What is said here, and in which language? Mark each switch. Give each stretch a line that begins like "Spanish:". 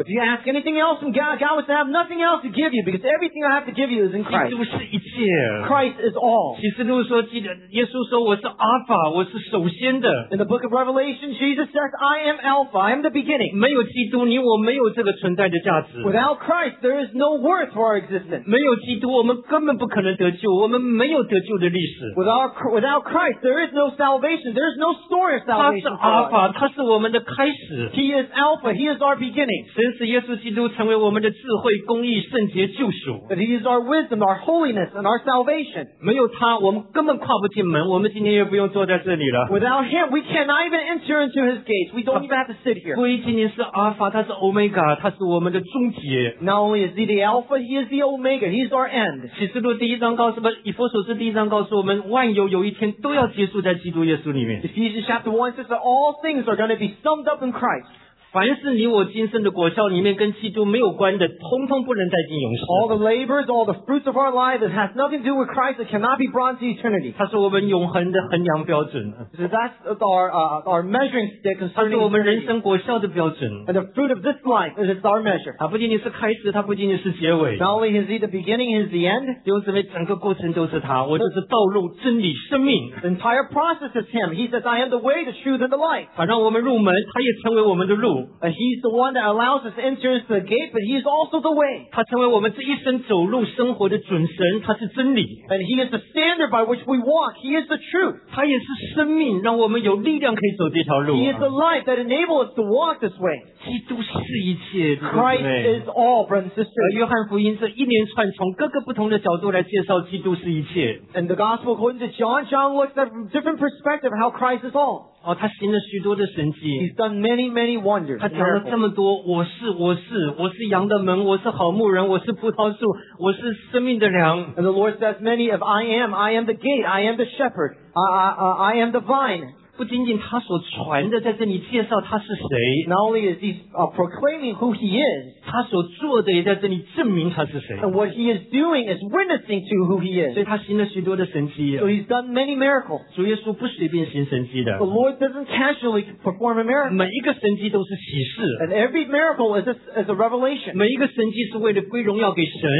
English: If you ask anything else from God, God would say, I have nothing else to give you because everything I have to give you is in Christ.
Chinese: 基督是一切。
English: Christ is all.
Chinese: 启示录说，记得耶稣说我是 Alpha， 我是首先的。
English: In the book of Revelation, Jesus says, I am Alpha, I am the beginning.
Chinese: 没有基督，你我没有这个存在的价值。
English: Without Christ, there is no worth for our existence.
Chinese: 没有基督，我们根本不可能得救，我们没有得救的历史。
English: Without Christ, there is no salvation. There is no story of salvation.
Chinese: 他是 Alpha， 他是我们的开始。
English: He is Alpha. He is our beginning.
Chinese: 神使耶稣基督成为我们的智慧、公义、圣洁、救赎。
English: But He is our wisdom, our holiness, and our salvation.
Chinese: 没有他，我们根本跨不进门。我们今天也不用坐在这里了。
English: Without Him, we cannot even enter into His gates. We don't even have to sit here.
Chinese: 不一定是 Alpha， 他是 Omega， 他是我们的终。
English: Not only is He the Alpha, He is the Omega. He is our end.
Chinese: 启示录第一章告诉我们，以弗所书第一章告诉我们，万有有一天都要结束在基督耶稣里面。
English: Ephesians chapter 1 says that all things are going to be summed up in Christ.
Chinese: 凡是你我今生的果效里面跟基督没有关的，通通不能带进永世。
English: All the labors, all the fruits of our lives that has nothing to do with Christ, that cannot be brought to eternity.
Chinese: 它是我们永恒的衡量标准。
English: So that's our measuring stick concerning.
Chinese: 它是我们人生果效的标准。
English: And the fruit of this life is our measure.
Chinese: 它不仅仅是开始，它不仅仅是结尾。
English: Not only is He the beginning, He is the end.
Chinese: 弟兄姊妹，整个过程都是他，我就是道路、真理、生命。
English: The entire process is Him. He says, "I am the way, the truth, and the life."
Chinese: 反正我们入门，他也成为我们的路。
English: He's the one that allows us to enter the gate, but he's also the way.
Chinese: 他成为我们这一生走路生活的准绳，他是真理。
English: And he is the standard by which we walk. He is the truth.
Chinese: 他也是生命，让我们有力量可以走这条路。
English: He is the life that enables us to walk this way.
Chinese: 基督是一切。
English: Christ is all, brothers and sisters.
Chinese: 约翰福音这一连串从各个不同的角度来介绍基督是一切。
English: And the gospel according to John looks at from different perspective how Christ is all.
Chinese: 哦、他行了许多的神迹
English: He's done many, many wonders.
Chinese: 他讲了这么多我是我是我是羊的门我是好牧人我是葡萄树我是生命的粮
English: And the Lord says many of I am the gate, I am the shepherd, I am the vine.
Chinese: 不仅仅他所传的在这里介绍他是谁
English: Not only is he proclaiming who he is,
Chinese: 他所做的也在这里证明他是谁
English: And what he is doing is witnessing to who he is.
Chinese: 所以他行了许多的神迹
English: So he's done many miracles.
Chinese: 主耶稣不随便行神迹的
English: The Lord doesn't casually perform a miracle.
Chinese: 每一个神迹都是启示
English: And every miracle is a revelation.
Chinese: 每一个神迹是为了归荣耀给神